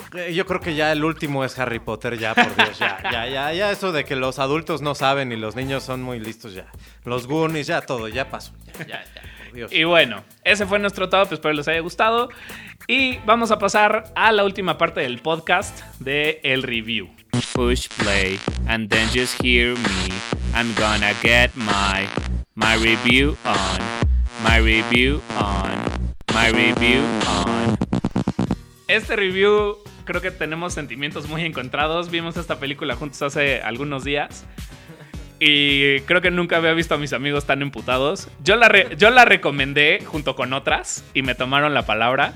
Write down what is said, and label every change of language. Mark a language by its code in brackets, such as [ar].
[es] Yo creo que ya el último es Harry Potter, ya, por Dios. Ya. Eso de que los adultos no saben y los niños son muy listos ya. Los Goonies, ya todo, ya pasó. Ya, por Dios. Y bueno, ese fue nuestro top. Espero les haya gustado. Y vamos a pasar a la última parte del podcast de El Review. [en] Push play and then just hear me. I'm gonna get my review on. My review on. [es] Este review, creo que tenemos sentimientos muy encontrados. Vimos esta película juntos hace algunos días. Y creo que nunca había visto a mis amigos tan emputados. Yo la recomendé junto con otras y me tomaron la palabra.